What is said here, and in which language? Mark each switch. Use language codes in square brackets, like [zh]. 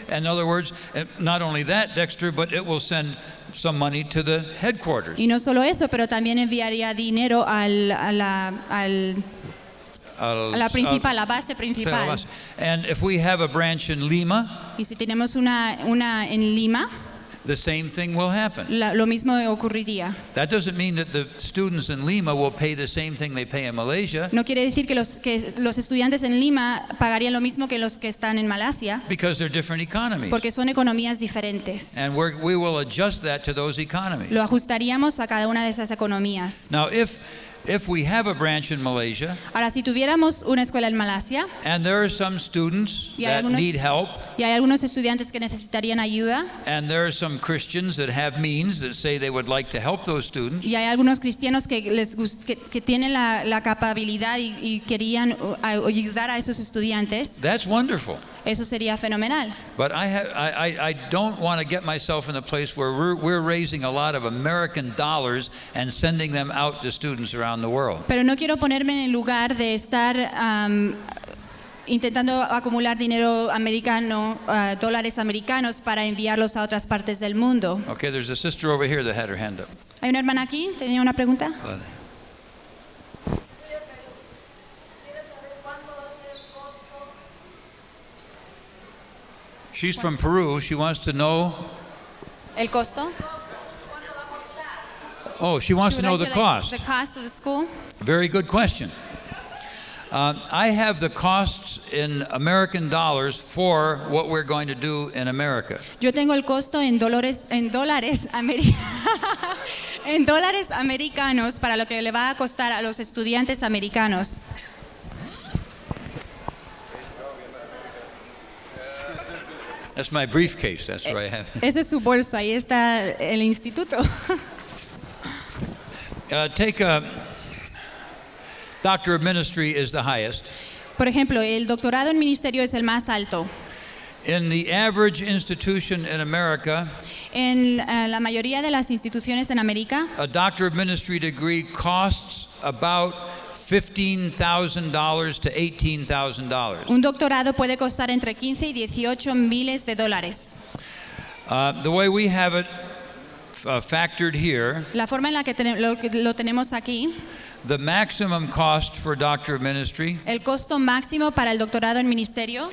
[en] In other words, not only that, Dexter, but it will send some money to the headquarters. [es] Y no solo eso, pero también enviaría dinero al la base principal. [en] And if we have a branch in Lima, [es] y si tenemos una en Lima, [en] the same thing will happen. [es] Lo mismo ocurriría. [en] That doesn't mean that the students in Lima will pay the same thing they pay in Malaysia. [es] No quiere decir que los estudiantes en Lima pagarían lo mismo que los que están en Malasia. [en] Because they're different economies. [es] Porque son economías diferentes. [en] And we will adjust that to those economies. [es] Lo ajustaríamos a cada una de esas economías. [en] Now if we have a branch in Malaysia, [es] ahora, si tuviéramos una escuela en Malasia, [en] and there are some students that need help, [es] y hay algunos estudiantes que necesitarían ayuda, [en] and there are some Christians that have means that say they would like to help those students, [es] y hay algunos cristianos que tienen la capacidad y querían ayudar a esos estudiantes, [en] that's wonderful. [es] Eso sería fenomenal. [en] But I don't want to get myself in a place where we're raising a lot of American dollars and sending them out to students around the world. [es] Pero no quiero ponerme en el lugar de estar intentando acumular dinero americano, dólares americanos para enviarlos a otras partes del mundo. [en] Okay, there's a sister over here that had her hand up. [es] Hay una hermana aquí, tenía una pregunta. [en] She's from Peru. She wants to know. [es] El costo. [en] Oh, she wants to know the cost. The cost of the school. Very good question. I have the costs in American dollars for what we're going to do in America. [es] Yo tengo el costo en dólares en dólares americanos para lo que le va a costar a los estudiantes americanos. [en] That's my briefcase. That's where I have. [es] Esa es su bolsa. Ahí está el instituto. [en] Take a doctor of ministry is the highest. [es] Por ejemplo, el doctorado en ministerio es el más alto. [en] In the average institution in America. [es] En la mayoría de las instituciones en América. [en] A doctor of ministry degree costs about $15,000 to $18,000. [es] Un doctorado puede costar entre 15 y 18 miles de dólares. [en] The way we have it factored here. [es] La forma en la que lo tenemos aquí. [en] The maximum cost for doctor of ministry. [es] El costo máximo para el doctorado en ministerio.